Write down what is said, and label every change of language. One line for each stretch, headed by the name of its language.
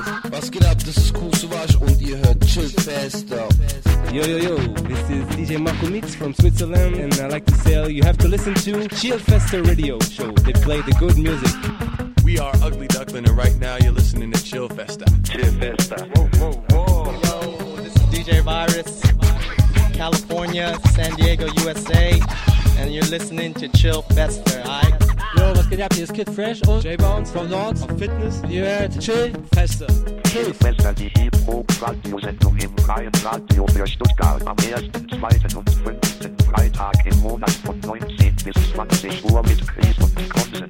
German: Was geht ab, das ist Cool Savage und ihr hört Chill Fester.
English: Yo, yo, yo, this is DJ Marco Meets from Switzerland and I like to say you have to listen to Chill Fester Radio Show. They play the good music. We are Ugly Duckling and right now you're listening to Chill Fester. Chill Fester. Whoa, whoa, whoa. Yo, this is DJ Virus, California, San Diego, USA, and you're listening to Chill Fester, aight?
German: Yo, was geht ab? Hier ist Kid Fresh und J-Bones von Lords auf Fitness. Ihr hört Chill Fester. Chill Fester, die Hip-Hop-Radio-Sendung im freien Radio für Stuttgart am 1., 2. und 5. Freitag im Monat von 19 bis 20 Uhr mit Chris und Konzen.